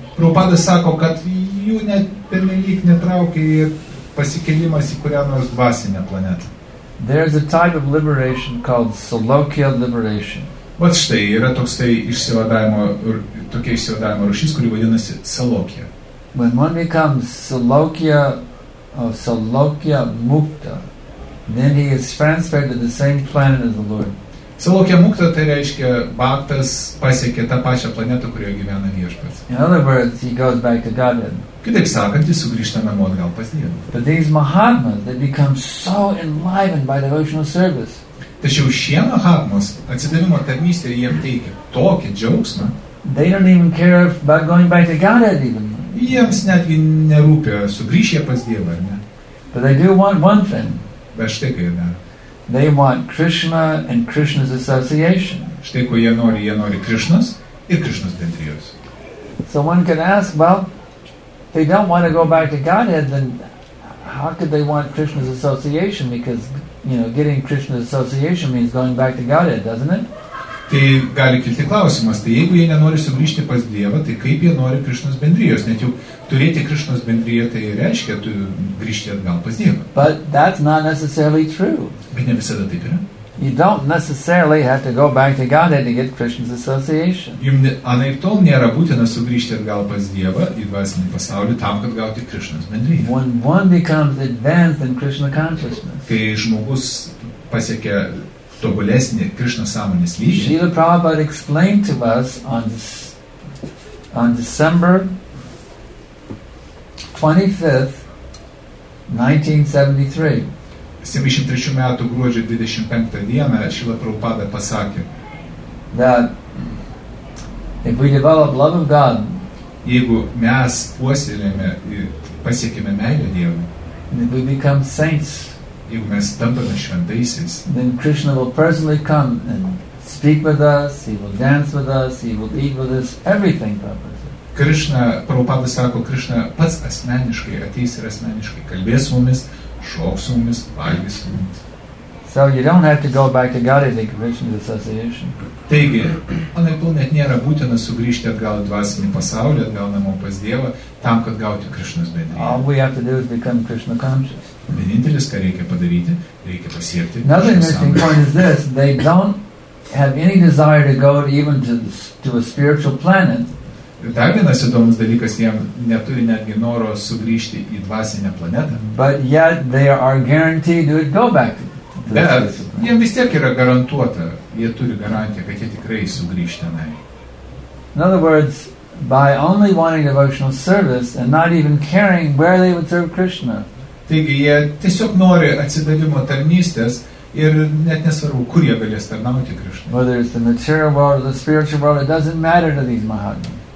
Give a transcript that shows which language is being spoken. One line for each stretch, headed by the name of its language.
Lithuanian: Prabhupada sako, kad jų net pernelyg netraukia į pasikėlimas į kurią nors dvasinę planetą.
English: There's a type of liberation called Salokya liberation.
Lithuanian: Vat štai, yra toks tai išsivadavimo, tokia išsivadavimo rušys, kuri vadinasi Salokya.
English: When one becomes Salokya, Salokya Mukta, then he is transferred to the same planet as the Lord.
Lithuanian: Salokya Mukta tai reiškia, baktas pasiekė tą pačią planetą, kurioje gyvena viešpats.
English: In other words, he goes back to Godhead.
Lithuanian: Kitaip sakant, jis sugrįžta namo atgal pas Dievą.
English: But these Mahatmas, they become so enlivened by devotional service.
Lithuanian: Tačiau šie Mahatmas, atsidavimo tarnystė, jiem teikia tokį džiaugsmą.
English: They don't even care about going back to Godhead even.
Lithuanian: Jiems netgi nerūpia, sugrįš jie pas Dievą, ar ne?
English: But they do want one thing.
Lithuanian: Bet štai ką jie daro.
English: They want Krishna and Krishna's association.
Lithuanian: Štai ko jie nori Krishnas ir Krishnas bendrijos.
English: So one can ask, well, they don't want to go back to Godhead, then how could they want Krishna's association? Because, you know, getting Krishna's association means going back to Godhead, doesn't it?
Lithuanian: Tai gali kilti klausimas, tai jeigu jie nenori sugrįžti pas Dievą, tai kaip jie nori Krishnas bendrijos? Net jau turėti Krishnas bendriją, tai reiškia tu grįžti atgal pas Dievą.
English: But that's not necessarily true.
Lithuanian: Bet ne visada taip yra.
English: You don't necessarily have to go back to Godhead to get Krishna's association.
Lithuanian: Jum anaip tol nėra būtina sugrįžti atgal pas Dievą į dvasinį pasaulį tam, kad gauti Krishnas bendriją.
English: When one becomes advanced in Krishna consciousness.
Lithuanian: Kai žmogus pasiekia tobulesnį Krishna sąmonės lygį.
English: Srila Prabhupada explained to us on December 25th, 1973.
Lithuanian: 73 metų gruodžio 25 dieną Srila Prabhupada pasakė,
English: that if we develop love of God,
Lithuanian: jeigu mes puoselėme ir pasiekime meilę Dievui,
English: then we become saints.
Lithuanian: Jeigu mes tampame šventaisiais,
English: then Krishna will personally come and speak with us, he will dance with us, he will eat with us, everything purpose.
Lithuanian: Krishna, Prabhupada sako, Krishna pats asmeniškai ateis ir asmeniškai kalbės su mumis, šoks su mumis, valgys su mumis.
English: So you don't have to go back to Godhead to get Krishna's association.
Lithuanian: Taigi, anaiptol net nėra būtina sugrįžti atgal į dvasinį pasaulį, atgal namo pas Dievą, tam, kad gauti Krishnas bendriją.
English: All we have to do is become Krishna conscious.
Lithuanian: Vienintelis, ką reikia padaryti, reikia pasiekti.
English: Another interesting point is this: they don't have any desire to go even to a spiritual planet.
Lithuanian: Dar vienas įdomus dalykas, jie neturi netgi noro sugrįžti į dvasinę planetą.
English: But yet they are guaranteed to go back to the spiritual planet.
Lithuanian: Bet jie vis tiek yra garantuota, jie turi garantiją, kad jie tikrai sugrįš tenai.
English: In other words, by only wanting devotional service and not even caring where they would serve Krishna.
Lithuanian: Taigi jie tiesiog nori atsidavimo tarnystės ir net nesvarbu, kur jie galės tarnauti Krishna.
English: Whether it's the material world or the spiritual world, it doesn't matter to these Mahatmas.